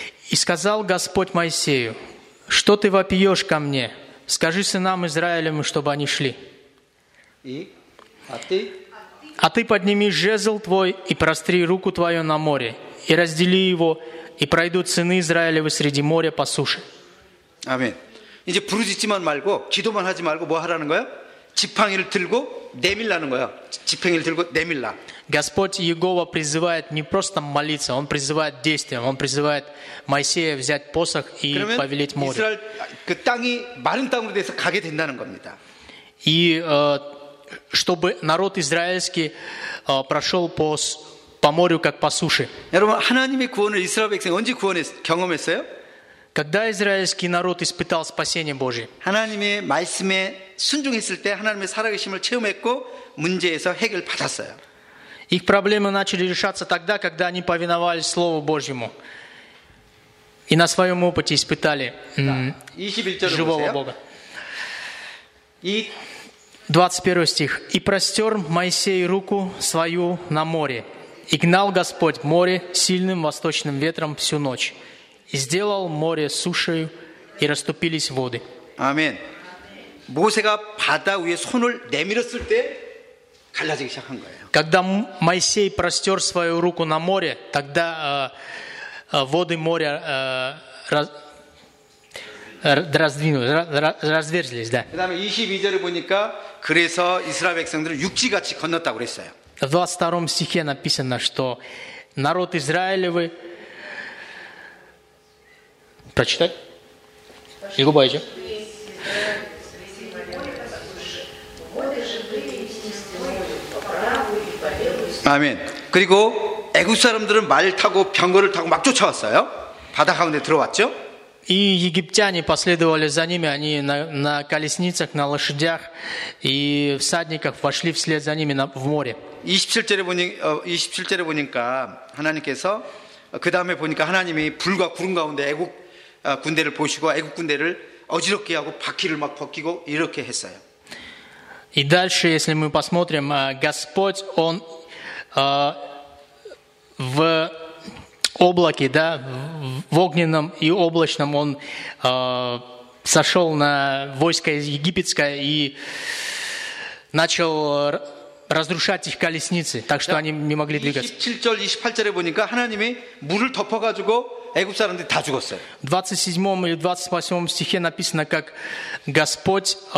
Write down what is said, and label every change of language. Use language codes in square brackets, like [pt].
[ru] «И сказал Господь Моисею, что ты вопиешь ко мне? Скажи сынам Израилевым, чтобы они шли. А ты подними жезл твой и простри руку твою на море, и раздели его, и пройдут сыны Израилевы среди моря по суше». Аминь. [ko] 이제 부르짖지만 말고, 기도만 하지 말고, 뭐 하라는 거야? 지팡이를 들고 내밀라는 거야. 지팡이를 들고 내밀라. [ru] Господь Иегова призывает не просто молиться, Он призывает действием, Он призывает Моисея взять посох и повелить море. [ko] 이스라엘, 그 땅이 마른 땅으로 돼서 가게 된다는 겁니다. [ru] И чтобы народ израильский прошел по морю, как по суше. [ko] 여러분, 하나님의 구원을 이스라엘 백성 언제 경험했어요? [ru] Когда израильский народ испытал спасение Божие? [ko] 하나님의 말씀에 순종했을 때 하나님의 살아계심을 체험했고 문제에서 해결 받았어요. [ru] Их проблемы начали решаться тогда, когда они повиновались Слову Божьему и на своем опыте испытали живого Бога. 21 стих. «И простер Моисей руку свою на море, и гнал Господь море сильным восточным ветром всю ночь, и сделал море сушею, и расступились воды». Амин. [ko] 모세가 바다 위에 손을 내밀었을 때 갈라지기 시작한 거예요. [ru] Когда Моисей простер свою руку на море, тогда воды моря разверзлись, да. [ko] 그다음에 22절에 보니까 그래서 이스라엘 백성들은 육지같이 건넜다고 그랬어요. [ru] В 22 стихе написано, что народ израилевы прочитать? [ko] 읽어봐야죠. [ru] Амин. [ko] 그리고 애굽 사람들은 말 타고 병거를 타고 막 쫓아왔어요. 바다 가운데 들어왔죠. [ru] И египтяне последовали за ними, они на колесницах, на лошадях и всадниках вошли вслед за ними в море. [ko] 27절에 보니까 하나님께서 그다음에 보니까 하나님이 불과 구름 가운데 애굽 군대를 보시고 애굽 군대를 어지럽게 하고 바퀴를 막 벗기고 이렇게 했어요. [ru] И дальше, если мы посмотрим, Господь он в облаке, да, в огненном и облачном он сошел на войско египетское и начал разрушать их колесницы, так что они не могли двигаться. [ko] 27절, 28절에 보니까 하나님이 물을 덮어가지고 애굽 사람들이 다 죽었어요. [ru] 27 или 28 стихе написано, как Господь